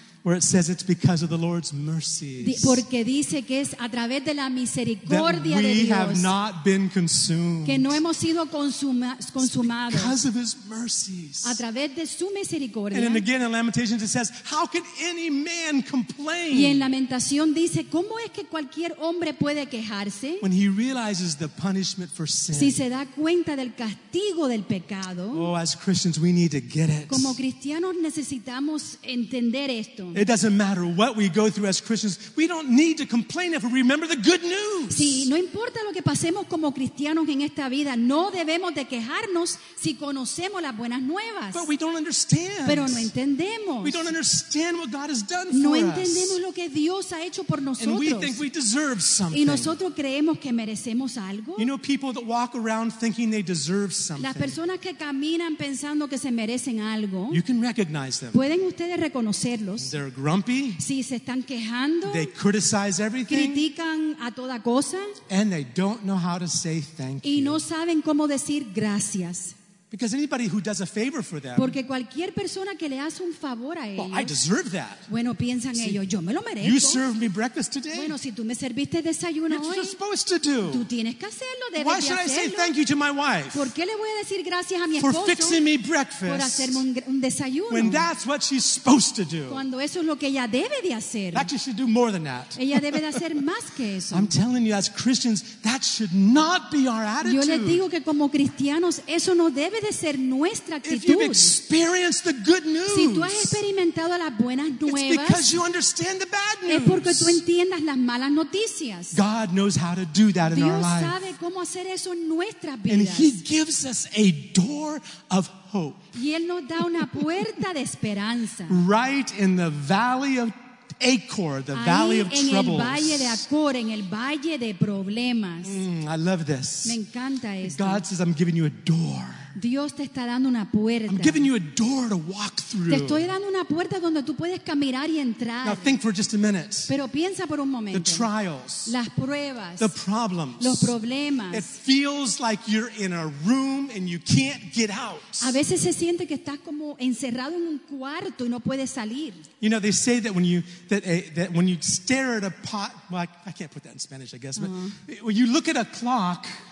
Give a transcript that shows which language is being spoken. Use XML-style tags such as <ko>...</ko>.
<en>Where it says it's because of the Lord's mercies.</en> <es>Porque dice que es a través de la misericordia de Dios.</es> <en>That we have not been consumed.</en> <es>Que no hemos sido consumados.</es> <en>Because of his mercies.</en> <es>A través de su misericordia.</es> <en>And then again in Lamentations it says, how can any man complain?</en> <es>Y en Lamentación dice, ¿cómo es que cualquier hombre puede quejarse?</es> <en>When he realizes the punishment for sin.</en> <es>Si se da cuenta del castigo del pecado.</es> <en>Oh, as Christians we need to get it.</en> <es>Como cristianos necesitamos entender esto.</es> <en>It doesn't matter what we go through as Christians. We don't need to complain if we remember the good news.</en> <es>Sí, no importa lo que pasemos como cristianos en esta vida, no debemos de quejarnos si conocemos las buenas nuevas.</es> <en>But we don't understand.</en> <es>Pero no entendemos.</es> <en>We don't understand what God has done for</en> <es>us. No entendemos lo que Dios ha hecho por nosotros.</es> <en>And we think we deserve something.</en> <es>Y nosotros creemos que merecemos algo.</es> <en>You know people that walk around thinking they deserve something.</en> <es>Las personas que caminan pensando que se merecen algo.</es> <en>You can recognize them.</en> <es>Pueden ustedes reconocerlos.</es> <en>They're grumpy.</en> <es>Sí, se están quejando.</es> <en>They criticize everything.</en> <es>Critican a toda cosa.</es> <en>And they don't know how to say thank</en> <es>y</es> <en>you.</en> <es>Y no saben cómo decir gracias.</es> <en>Because anybody who does a favor for them.</en> <es>Porque cualquier persona que le hace un favor a ellos.</es> <en>Well, I deserve that.</en> <es>Bueno, piensan See, ellos, yo me lo merezco.</es> <en>You served me breakfast today.</en> <es>Bueno, si tú me serviste desayuno</es> <en>That's</en> <es>hoy.</es> <en>What you're supposed to do.</en> <es>Tú tienes que hacerlo, debes</es> <en>Why should</en> <es>de hacerlo.</es> <en>I say thank you to my wife?</en> <es>¿Por qué le voy a decir gracias a mi esposo?</es> <en>For fixing me breakfast.</en> <es>Por hacerme un desayuno.</es> <en>When that's what she's supposed to do.</en> <es>Cuando eso es lo que ella debe de hacer.</es> <en>Actually, she should do more than that.</en> <es>Ella debe de hacer más que eso.</es> <en>I'm telling you, as Christians, that should not be our attitude.</en> <es>Yo les digo que como cristianos eso no debe de ser nuestra actitud.</es> <en>If you've experienced the good news,</en> <es>si tú has experimentado las buenas nuevas,</es> <en>it's because you understand the bad news.</en> <es>Es porque tú entiendas las malas noticias.</es> <en>God knows how to do that in</en> <es>Dios</es> <en>our lives.</en> <es>Sabe cómo hacer eso en nuestras vidas.</es> <en>And he gives us a door of hope.</en> <es>Y él nos da una puerta de esperanza.</es> <en>Right in the valley of Acor, the</en> <es>Ahí,</es> <en>valley of</en> <es>en</es> <en>troubles.</en> <es>El valle de Acor, en el valle de problemas.</es> <en>I love this.</en> <es>Me encanta esto.</es> <en>God says, I'm giving you a door.</en> <es>Dios te está dando una puerta.</es> <en>I'm giving you a door to walk through.</en> <es>Te estoy dando una puerta donde tú puedes caminar y entrar.</es> <en>Now think for just a minute.</en> <es>Pero piensa por un momento.</es> <en>The trials.</en> <es>Las pruebas.</es> <en>The problems.</en> <es>Los problemas.</es> <en>It feels like you're in a room and you can't get out.</en> <es>A veces se siente que estás como encerrado en un cuarto y no puedes salir.</es> <en>You know, they say that when you stare at a pot, well, I can't put that in Spanish, I guess, but when you look at a clock,</en>